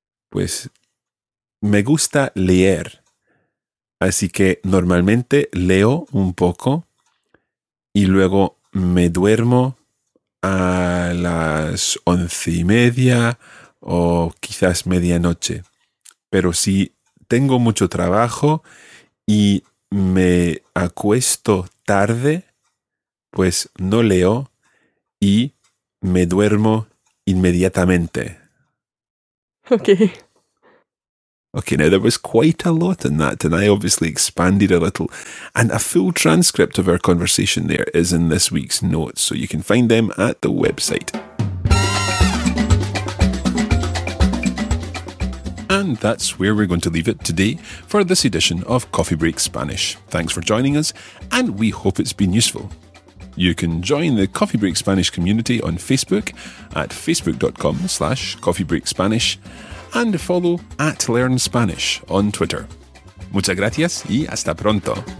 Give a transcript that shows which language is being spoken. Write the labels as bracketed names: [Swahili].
[Spanish] Pues me gusta leer, así que normalmente leo un poco y luego me duermo a las 11:30 o quizás medianoche. Pero si tengo mucho trabajo y me acuesto tarde, pues no leo y me duermo inmediatamente. [English] Okay. Okay, now there was quite a lot in that, and I obviously expanded a little. And a full transcript of our conversation there is in this week's notes, so you can find them at the website. And that's where we're going to leave it today for this edition of Coffee Break Spanish. Thanks for joining us, and we hope it's been useful. You can join the Coffee Break Spanish community on Facebook at facebook.com/coffeebreakspanish and follow at Learn Spanish on Twitter. [Spanish] Muchas gracias y hasta pronto.